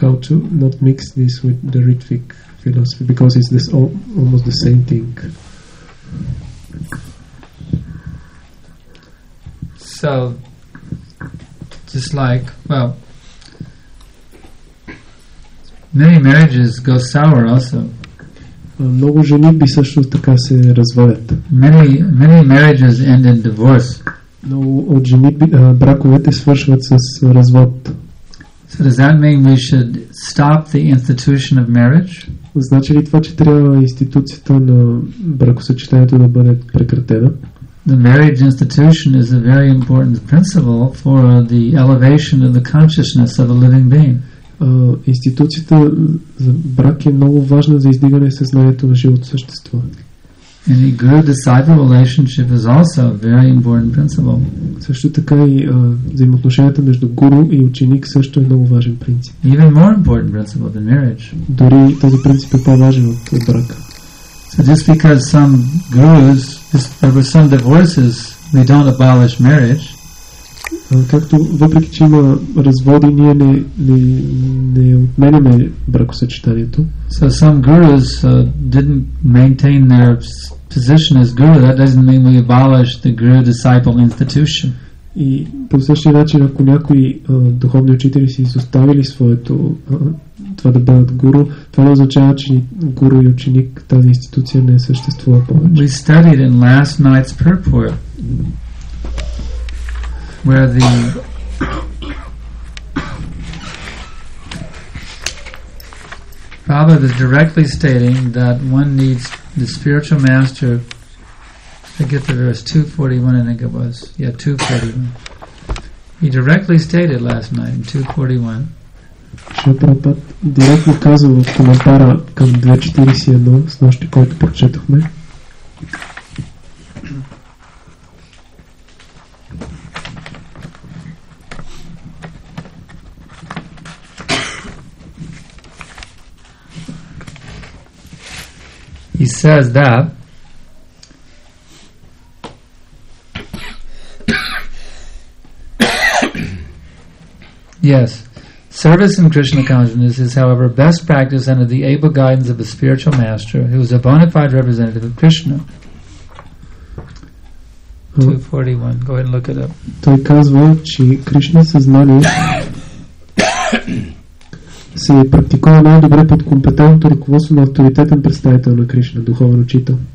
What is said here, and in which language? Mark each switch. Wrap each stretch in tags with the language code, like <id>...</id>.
<en>So how to not mix this with the Ritvik philosophy, because it's this almost the same thing. So just like, well, many marriages go sour also.</en> <bg>Много жени би също така се развалят.</bg> <en>Many marriages end in divorce.</en> <bg>Много от жени браковете свършват с развод.</bg> <en>So does that mean we should stop the institution of marriage?</en> <bg>Значи ли това, че трябва институцията на бракосъчетанието да бъде прекратена?</bg> <en>The marriage institution is a very important principle for the elevation of the consciousness of a living being.</en> <bg>Институцията за брак е много важна за издигане съзнанието на живото същество.</bg> <en>And a good disciple relationship is also a very important principle.</en> <bg>Също така и взаимоотношенията между гуру и ученик също е много важен принцип.</bg> <en>Even more important principle than marriage.</en> <bg>Дори този принцип е по-важен от брака.</bg> <en>So just because some gurus, just there were some divorces, we don't abolish marriage.</en> <bg>Както въпреки че има разводи, ние не отменяме бракосъчетанието.</bg> <en>So some gurus didn't maintain their position as guru. That doesn't mean we abolish the guru disciple institution.</en> <bg>И по същия начин, ако някои духовни учители си изоставили своето това да бъдат гуру, това не означава, че гуру и ученик тази институция не съществува повече.</bg> <en>We studied in last night's purport where the Prabhupada is directly stating that one needs the spiritual master. I get the verse 241, I think it was. Yeah, 241. He directly stated last night in 241.</en> <bg>Шри Прабхупад директно каза в коментара към 241, с нашите, който прочетохме.</bg> <en>He says that yes, service in Krishna consciousness is, however, best practice under the able guidance of a spiritual master who is a bona fide representative of Krishna. 241. Go ahead and look it up.</en> <bg>Той казва, че Кришна съзнание се практикува най-добре под компетентното ръководство на авторитетен представител на Кришна, духовен учител.</bg>